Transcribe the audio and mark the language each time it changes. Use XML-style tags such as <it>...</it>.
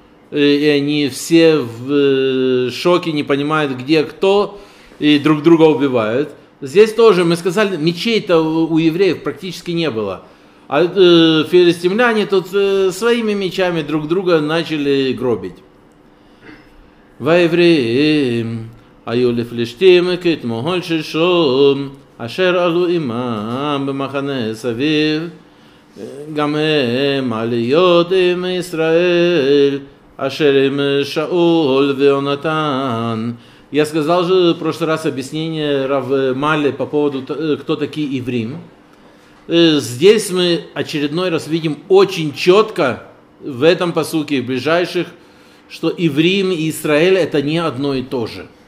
<ru>И они все в шоке, не понимают, где кто, и друг друга убивают. Здесь тоже, мы сказали, мечей-то у евреев практически не было. А филистимляне тут своими мечами друг друга начали гробить. Во евреям...</ru> <he>היו לפלישתים כתמול ששום, אשר עלו עמם במחנה סביב, גם הם עליות עם ישראל, אשר עם שאול ויונתן.</he> <ru>Я сказал же в прошлый раз объяснение рав Мали по поводу, кто такие иврим. Здесь мы очередной раз видим очень четко в этом пасуке в ближайших, что иврим и Израиль — это не одно и то же.</ru>